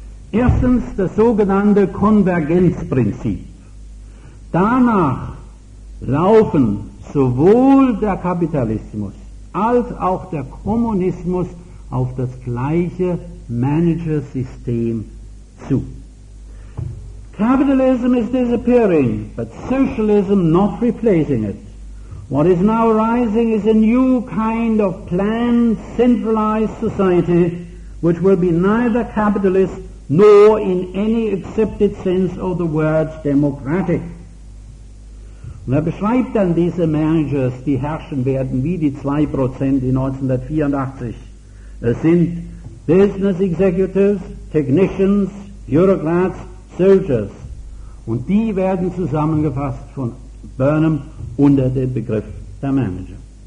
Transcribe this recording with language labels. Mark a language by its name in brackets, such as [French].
[German] Erstens das sogenannte Konvergenzprinzip. Danach laufen sowohl der Kapitalismus als auch der Kommunismus auf das gleiche Manager-System zu. [English] Capitalism is disappearing, but socialism not replacing it. What is now rising is a new kind of planned, centralized society which will be neither capitalist nor in any accepted sense of the words democratic. [German] Und beschreibt dann diese Managers, die herrschen werden, wie die 2% in 1984 sind. [English] Business Executives, Technicians, Bureaucrats, Soldiers. [German] Und die werden zusammengefasst von Burnham unter dem Begriff der Manager.